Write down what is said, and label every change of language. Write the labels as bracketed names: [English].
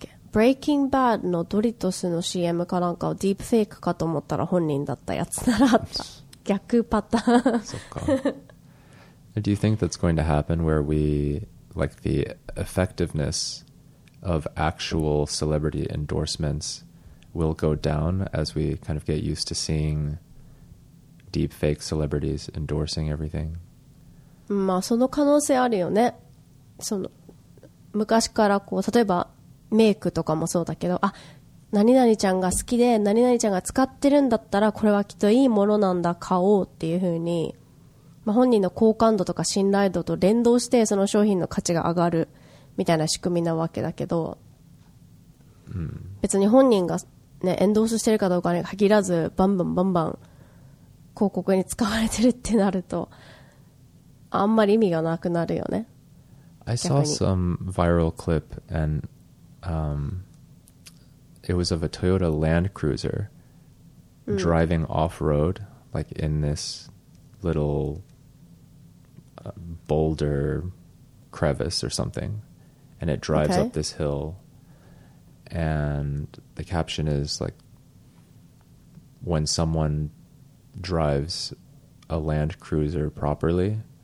[Japanese] Breaking Bad のドリトスの CM かなんかをディープフェイクかと思ったら本人だったやつなら、逆パターン。そっか。 [English] Do you think that's going to happen where we like the effectiveness of actual celebrity endorsementswill go down as we kind of get used to seeing deep fake celebrities endorsing everything? [Japanese] まあその可能性あるよね。その昔からこう例えばメイクとかもそうだけど、あ、何々ちゃんが好きで何々ちゃんが使ってるんだったらこれはきっといいものなんだ買おうっていう風に、まあ、本人の好感度とか信頼度と連動してその商品の価値が上がるみたいな仕組みなわけだけど、別に本人がね、エンドースしてるかどうかに限らずバンバンバンバン広告に使われてるってなるとあんまり意味がなくなるよね。 [English] I saw some viral clip and it was of a Toyota Land Cruiser driving off-road like in this little boulder crevice or something, and it drives up this hillAnd the caption is like, when someone drives a Land Cruiser properly.